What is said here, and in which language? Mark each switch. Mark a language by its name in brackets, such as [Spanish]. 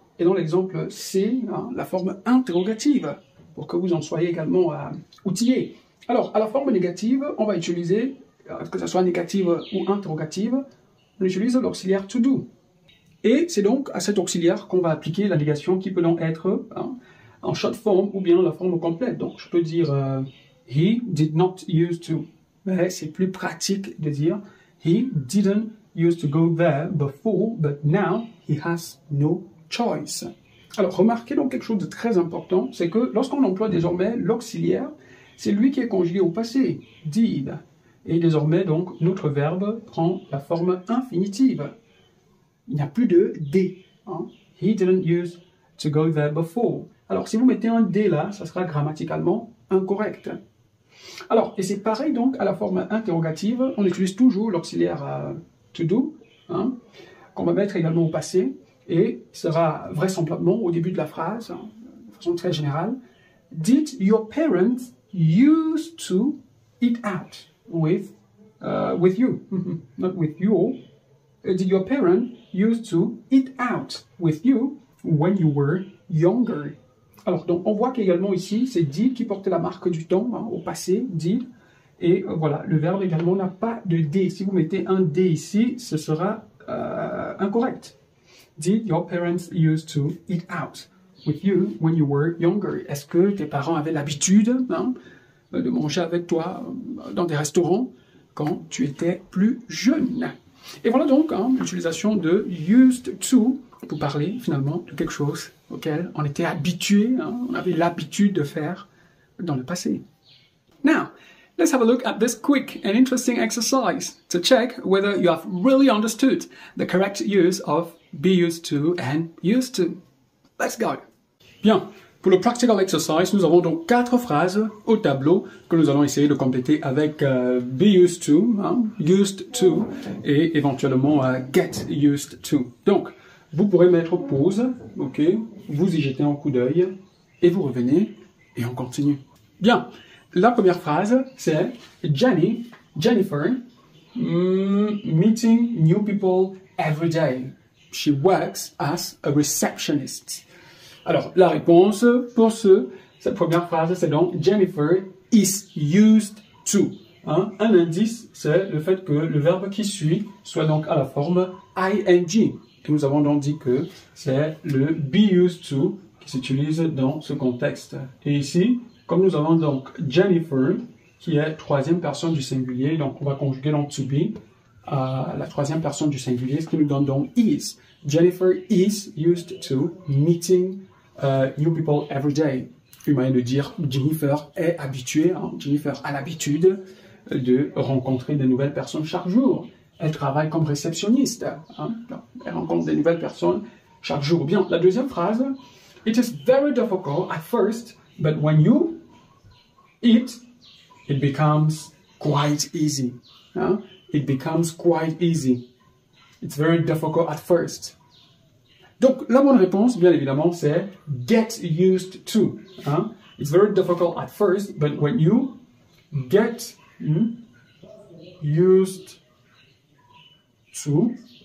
[French] Et dans l'exemple C, hein, la forme interrogative, pour que vous en soyez également outillé. Alors, à la forme négative, on va utiliser, que ce soit négative ou interrogative, on utilise l'auxiliaire to do. Et c'est donc à cet auxiliaire qu'on va appliquer la négation qui peut donc être en short form ou bien la forme complète. Donc, je peux dire [English] he did not use to. [French] Mais c'est plus pratique de dire [English] he didn't used to go there before, but now he has no choice. [French] Alors, remarquez donc quelque chose de très important, c'est que lorsqu'on emploie désormais l'auxiliaire, c'est lui qui est conjugué au passé, did. Et désormais, donc, notre verbe prend la forme infinitive. Il n'y a plus de d. Hein? [English] He didn't use to go there before. [French] Alors, si vous mettez un d là, ça sera grammaticalement incorrect. Alors, et c'est pareil donc à la forme interrogative, on utilise toujours l'auxiliaire to do, hein, qu'on va mettre également au passé, et sera vraisemblablement au début de la phrase, hein, de façon très générale. [English] Did your parents used to eat out with you? Not with you. Did your parents used to eat out with you when you were younger? [French] Alors, donc, on voit qu'également ici, c'est did qui portait la marque du temps, hein, au passé, did. Et voilà, le verbe également n'a pas de d. Si vous mettez un d ici, ce sera incorrect. [English] Did your parents used to eat out with you when you were younger? [French] Est-ce que tes parents avaient l'habitude, hein, de manger avec toi dans des restaurants quand tu étais plus jeune? Et voilà donc, hein, l'utilisation de used to pour parler finalement de quelque chose auquel on était habitué, hein, on avait l'habitude de faire dans le passé. [English] Now, let's have a look at this quick and interesting exercise to check whether you have really understood the correct use of be used to and used to. Let's go! [French] Bien, pour le practical exercise, nous avons donc quatre phrases au tableau que nous allons essayer de compléter avec be used to, hein, used to, et éventuellement get used to. Donc, vous pourrez mettre pause, ok, vous y jetez un coup d'œil, et vous revenez, et on continue. Bien, la première phrase, c'est Jennifer, [English] meeting new people every day. She works as a receptionist. [French] Alors, la réponse pour cette première phrase, c'est donc [English] Jennifer is used to. [French] Hein? Un indice, c'est le fait que le verbe qui suit soit donc à la forme ing. Et nous avons donc dit que c'est le be used to qui s'utilise dans ce contexte. Et ici, comme nous avons donc Jennifer, qui est troisième personne du singulier, donc on va conjuguer donc to be à la troisième personne du singulier, ce qui nous donne donc is. [English] Jennifer is used to meeting new people every day. [French] Une manière de dire Jennifer est habituée, hein, Jennifer a l'habitude de rencontrer de nouvelles personnes chaque jour. Elle travaille comme réceptionniste. Hein? Elle rencontre des nouvelles personnes chaque jour. Bien, la deuxième phrase. [English] It is very difficult at first, but when you eat, it becomes quite easy. Hein? It becomes quite easy. It's very difficult at first. [French] Donc, la bonne réponse, bien évidemment, c'est get used to. Hein? [English] It's very difficult at first, but when you get used to.